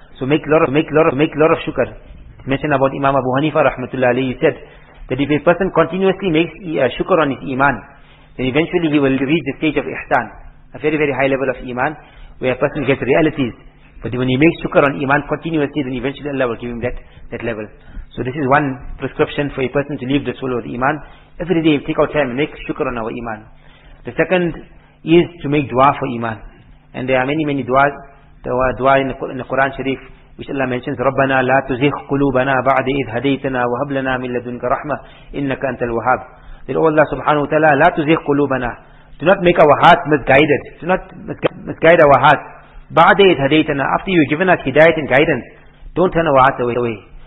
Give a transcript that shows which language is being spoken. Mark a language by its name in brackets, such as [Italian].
[English] So make lot of shukr. Mentioned about Imam Abu Hanifa rahmatullah alayhi, he said that if a person continuously makes shukr on his iman, then eventually he will reach the stage of ihsan, a very very high level of iman, where a person gets realities. But when he makes shukr on iman continuously, then eventually Allah will give him that level. So this is one prescription for a person to leave the soul with iman. Every day take out time and make shukr on our iman. The second is to make dua for iman. And there are many many duas. There are dua in the Quran Sharif which Allah mentions, [Arabic] رَبَّنَا لَا تُزِخْ قُلُوبَنَا بَعْدِ إِذْ هَدَيْتَنَا وَهَبْ لَنَا مِنْ لَدُنْكَ رَحْمَةٍ إِنَّكَ أَنْتَ الْوَهَّابُ. [English] Then oh Allah subhanahu wa ta'ala, [Arabic] لَا تُزِخْ قُلُوبَنَا. [English] Do not make our hearts misguided. Do not misguide our hearts. [Arabic] بَعْدِ إِذْ هَدَيْتَنَا. [English] After you've given us hidayat and guidance, don't turn our hearts away.